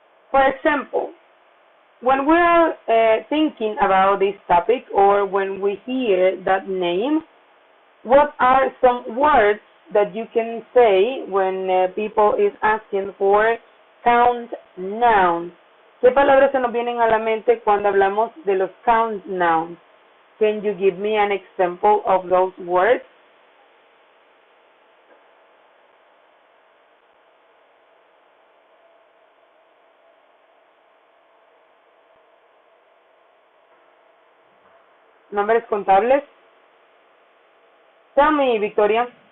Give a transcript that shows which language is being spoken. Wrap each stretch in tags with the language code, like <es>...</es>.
<en>For example, when we are thinking about this topic, or when we hear that name, what are some words that you can say when people is asking for count nouns?</en> <es>¿Qué palabras se nos vienen a la mente cuando hablamos de los count nouns?</es> <en>Can you give me an example of those words?</en> <es>¿Nombres contables?</es> <en>Tell me,</en> <es>Victoria.</es>